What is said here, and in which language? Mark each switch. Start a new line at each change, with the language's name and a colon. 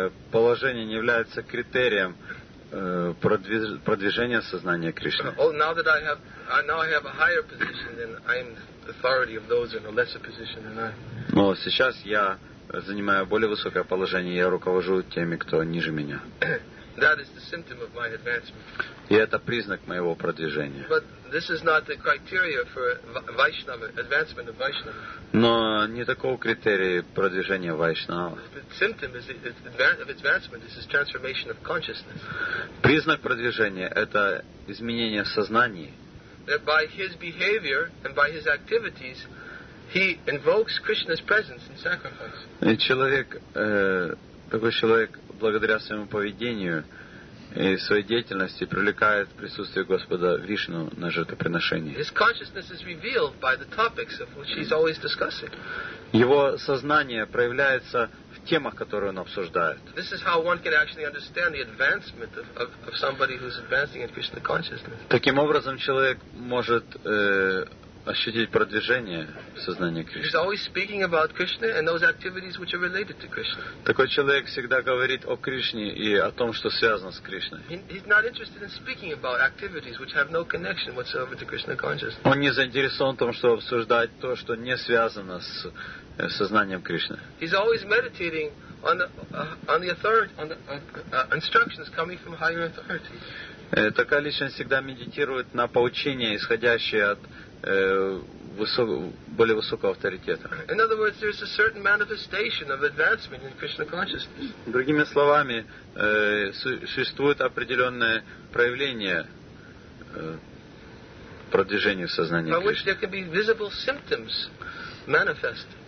Russian: Положение не является критерием продвижения сознания Кришны.
English: Now I have a higher position than I am. Authority of those in a lesser position than I.
Russian: Но сейчас я занимаю более высокое положение, я руковожу теми, кто ниже меня.
English: That is the symptom of my advancement.
Russian: И это признак моего продвижения.
English: But this is not the criteria for Vaishnava, advancement of Vaishnava.
Russian: Но не такого критерия продвижения Вайшнава.
English: The symptom is of advancement. This is transformation of consciousness.
Russian: Признак продвижения – это изменение сознания.
English: That by his behavior and by his activities, he invokes Krishna's presence in sacrifice.
Russian: И человек, такой человек, благодаря своему поведению и своей деятельности, привлекает присутствие Господа Вишну на жертвоприношение.
English: His consciousness is revealed by the topics of which he's always discussing.
Russian: Его сознание проявляется в темах, которые он обсуждает.
English: This is how one can actually understand the advancement of somebody who's advancing in Krishna consciousness.
Russian: Таким образом, человек может ощутить продвижение в сознании Кришны.
English: He's always speaking about Krishna and those activities which are related to Krishna.
Russian: Такой человек всегда говорит о Кришне и о том, что связано с Кришной.
English: He's not interested in speaking about activities which have no connection whatsoever to Krishna consciousness.
Russian: Он не заинтересован в том, чтобы обсуждать то, что не связано с сознанием Кришны.
English: He's always meditating on the instructions coming from higher authority.
Russian: Такая личность всегда медитирует на поучения, исходящие от более высокого авторитета.
English: In other words, there is a certain manifestation of advancement in Krishna consciousness.
Russian: Другими словами, существует определенное проявление продвижения в сознании Кришны.
English: By which there can be visible symptoms manifest.